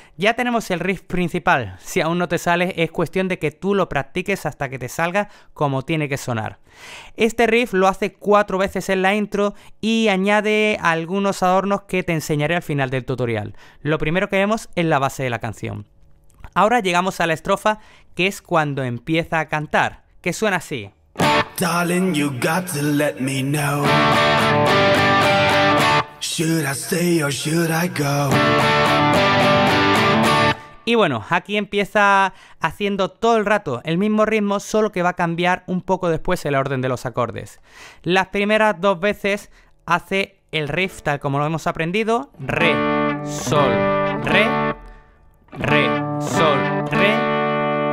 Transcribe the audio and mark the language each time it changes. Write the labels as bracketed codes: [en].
[es] Ya tenemos el riff principal. Si aún no te sale, es cuestión de que tú lo practiques hasta que te salga como tiene que sonar. Este riff lo hace cuatro veces en la intro y añade algunos adornos que te enseñaré al final del tutorial. Lo primero que vemos es la base de la canción. Ahora llegamos a la estrofa, que es cuando empieza a cantar, que suena así. [en] Darling, you got to let me know. Should I stay or should I go? [es] Y bueno, aquí empieza haciendo todo el rato el mismo ritmo, solo que va a cambiar un poco después el orden de los acordes. Las primeras dos veces hace el riff tal como lo hemos aprendido. Re, sol, re, re, sol, re.